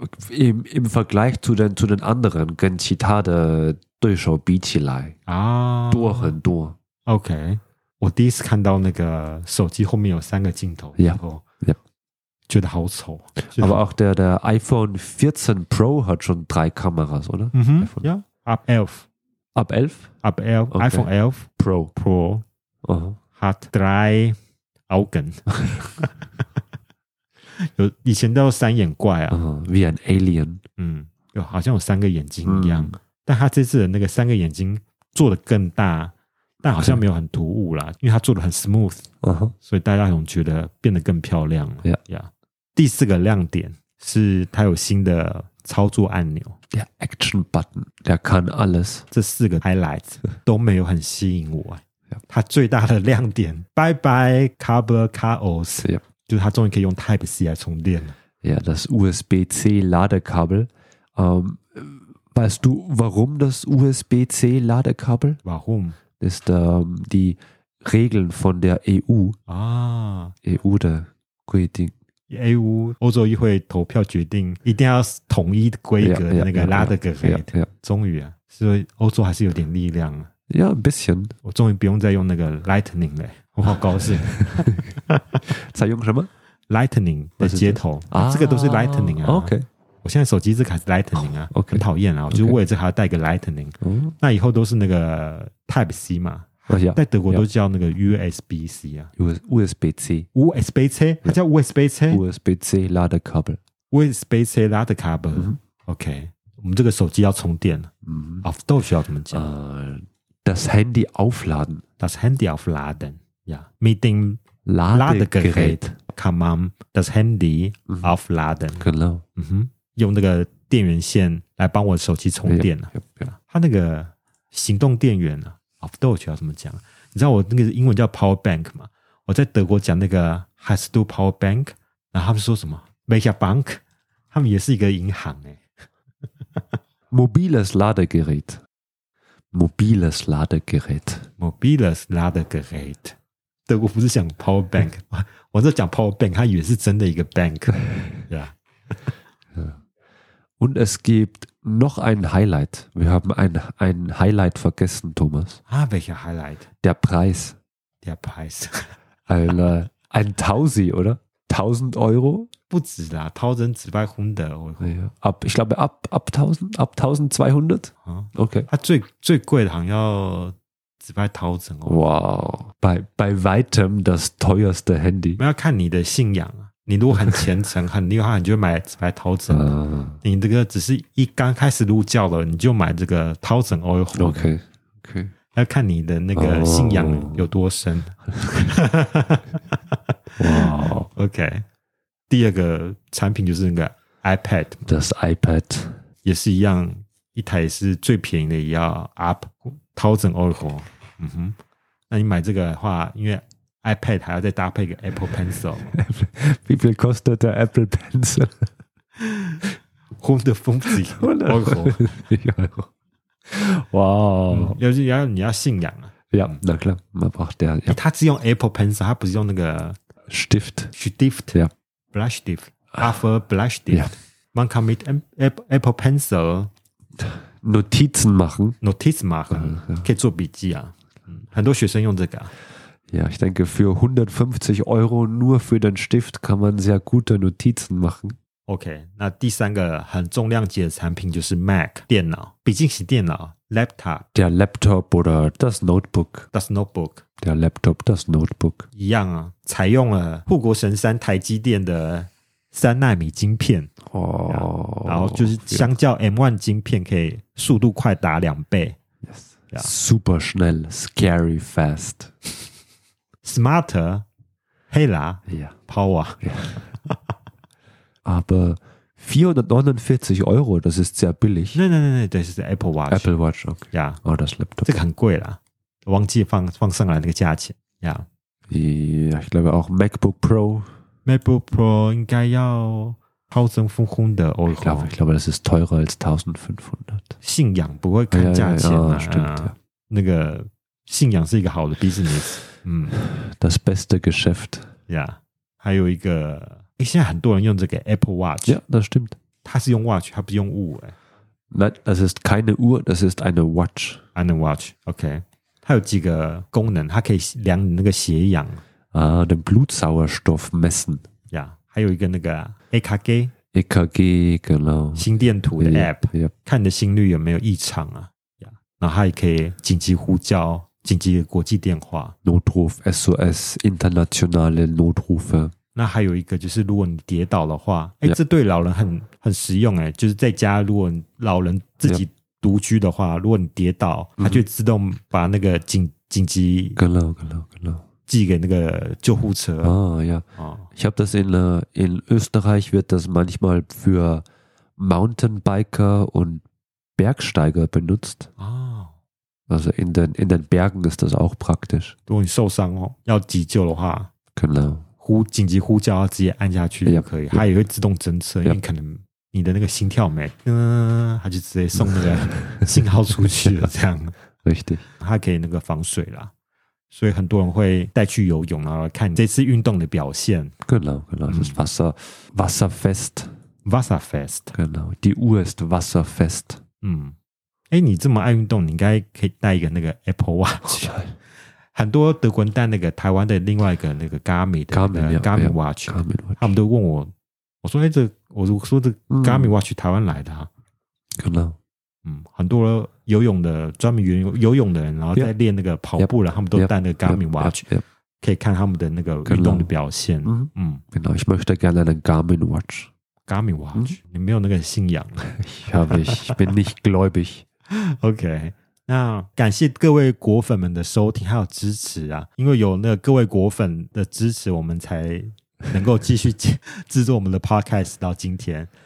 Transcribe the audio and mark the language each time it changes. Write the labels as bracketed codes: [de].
[de] Im Vergleich zu den anderen, [zh] 跟其他的对手比起来、啊、多很多。 OK, 我第一次看到那个手机后面有三个镜头 yeah, 后 yeah. 觉得好丑。 [de] Aber auch der iPhone 14 Pro hat schon 3 Kameras, oder? Mhm, ja, ab 11. Ab 11? Ab 11, okay. iPhone 11 Pro. Pro、 uh-huh. hat 3 Augen. [zh] 有以前都三眼怪啊。 [de] Uh-huh. Wie ein Alien. [zh] 嗯有好像有三个眼睛一样。 Mm. 但他这次的那个三个眼睛做得更大但好像没有很突兀啦、okay. 因为他做得很 smooth,、 uh-huh. 所以大家总觉得变得更漂亮。 Yeah. Yeah. 第四个亮点是他有新的操作按钮。 [de] Der Action Button, der kann alles. [zh] 这四个 Highlights 都没有很吸引我、欸。 Yeah. 它最大的亮点 [en] Bye bye, Cable Chaos.、 Yeah. [zh] 就是它终于可以用 Type-C 来充电了。 [de] Yeah, das USB-C Ladekabel.、weißt du, warum das USB-C Ladekabel? Warum? Das ist、die Regeln von der EU. Ah. [zh] EU 的规定。 EU 欧洲议会投票决定一定要统一规格的那个 Ladegerät 终于啊所以欧洲还是有点力量啊 [de] Yeah, a bisschen [zh] 我终于不用再用那个 Lightning 了我好高兴采用什么 Lightning 的接头、啊、这个都是 Lightning 啊、 OK 我现在手机这个还是 Lightning 啊、 OK 很讨厌啊我就为了这还要带个 Lightning、 OK、那以后都是那个 Type-C 嘛Yeah, 在德国都叫那个 USB-C 啊 USB-C USB-C 它叫 USB-C [de] USB-C Ladekabel USB-C Ladekabel、mm-hmm. [zh] OK 我们这个手机要充电、mm-hmm. [de] Auf Deutsch [zh] 要怎么讲、 [de] Das Handy aufladen Das Handy aufladen、yeah. Mit dem Ladegerät Kann man das Handy aufladen、 mm-hmm. Genau、 [zh] mm-hmm. 用那个电源线来帮我手机充电、啊 yeah. 它那个行动电源啊 [de] Auf Deutsch [zh] 要怎么讲？你知道我那个英文叫 Power Bank 吗？我在德国讲那个 [de] Hast du Power Bank， [zh] 然后他们说什么 [de] Welcher Bank？ [zh] 他们也是一个银行哎。 [de] Mobiles Ladegerät， Mobiles Ladegerät， Mobiles Ladegerät。 [zh] 德国不是讲 Power Bank， 我在讲 Power Bank， 他以为是真的一个 Bank， 对吧？ [de] Und es gibt noch ein Highlight. Wir haben ein Highlight vergessen, Thomas. Ah, welcher Highlight? Der Preis. Der Preis. ein Tausi, oder? 1000 Euro? [zh] 不止啦, 1200 Euro. [de] Ja, ich glaube, ab 1000, ab 1200? Okay. [zh] 它最,最贵的好像要1000 Euro. Wow. [de] Bei weitem das teuerste Handy. [zh] 要看你的信仰啊。你如果很虔诚很厉害你就买掏整、你这个只是一刚开始入教了你就买这个掏整 oil OK OK 要看你的那个信仰有多深哇、 OK 第二个产品就是那个 iPad [de] Das iPad [zh] 也是一样一台是最便宜的也要 up 掏整 oil、嗯、那你买这个的话因为iPad 还要再搭配一个 Apple Pencil. [de] Wie viel kostet der Apple Pencil? 150 Euro. Wow. [zh] 要是要你要信仰啊。 [de] Ja, na klar, man braucht der. [zh] 他只用 Apple Pencil, 他不是用那个 [de] Stift. Stift. Ja. Bleistift. Alpha Bleistift. Ja. Man kann mit Apple Pencil Notizen machen. Notizen machen. [zh] 可以做笔记啊。很多学生用这个啊。 [de] Ja, ich denke, für 150 Euro nur für den Stift kann man sehr gute Notizen machen. [zh] Okay, 那第三个很重量级的产品就是 Mac, 电脑,笔记型电脑 ,Laptop. [de] Der Laptop oder das Notebook. Das Notebook. Der Laptop, das Notebook. [zh] 一样啊,采用了护国神山台积电的三纳米晶片。 Oh, 然后就是相较 M1 晶片可以速度快达两倍。 [en] Yes. Yeah. [de] Super schnell, [en] scary fast. [de] Smarter, heller, yeah. [en] Power. Yeah. [de] Aber 449 Euro, das ist sehr billig. Nein, nein, nein, nein, das ist der Apple Watch. Apple Watch, okay. Ja. Oh, das Laptop. Das ist ganz teuer. Ich habe vergessen, dass ich das Preis vergessen habe. Ja. Ich glaube auch MacBook Pro. MacBook Pro, sollte 1500 Euro. Ich glaube, das ist teurer als 1500. [zh] 信仰不会看价钱啊。 [de] Ja, ja, ja, stimmt, ja. [zh] 那个信仰是一个好的 business。 [de] Das beste Geschäft. [zh] Ja, 还有一个，诶，现在很多人用这个 Apple Watch. [de] Ja, das stimmt. [zh] 它是用 Watch, 它不用 Uhr. [de] Nein, das ist keine Uhr, das ist eine Watch. Eine Watch, okay. [zh] 它有几个功能，它可以量那个血氧。 [de] Ah, den Blutsauerstoff messen. [zh] Ja, 还有一个那个 EKG. [de] EKG, genau. [zh] 心电图的 App. Yep. 看你的心率有没有异常啊。Ja, 然后它也可以紧急呼叫。紧急的国际电话 [de] Notruf SOS Internationale Notrufe [zh] 那还有一个就是如果你跌倒的话、欸 yeah. 这对老人 很实用、欸、就是在家如果老人自己独居的话、yeah. 如果你跌倒他就自动把那个紧急 寄给那个救护车、 [de] Ich habe das in Österreich wird das manchmal für Mountainbiker und Bergsteiger benutzt、 oh. Also in den Bergen ist das auch praktisch. [zh] 如果你受伤哦，要急救的话，可能紧急呼叫要直接按下去也可以，它也会自动侦测，因为可能你的那个心跳没，它就直接送那个信号出去了，这样。 [de] Richtig. [zh] 它可以那个防水啦，所以很多人会带去游泳，然后看这次运动的表现。 [de] Genau, das ist wasserfest. Wasserfest. Genau, die Uhr ist wasserfest. [zh] 哎，你这么爱运动，你应该可以带一个那个 Apple Watch。很多德国人带那个台湾的另外一个那个 Garmin 的 Garmin Watch， Watch 他们都问我，我说：“哎，这我说这 Garmin Watch 台湾来的啊？” 可能，很多人游泳的专门游泳的人，然后在练那个跑步，然后他们都带那个 Garmin Watch， 可以看他们的那个运动的表现。 [de] Genau, ich möchte gerne eine Garmin Watch. [zh] Garmin Watch， 你没有那个信仰。 [de] Ich bin nicht gläubig. [zh] OK， 那感谢各位果粉们的收听还有支持啊，因为有那个各位果粉的支持，我们才能够继续制作我们的 podcast 到今天。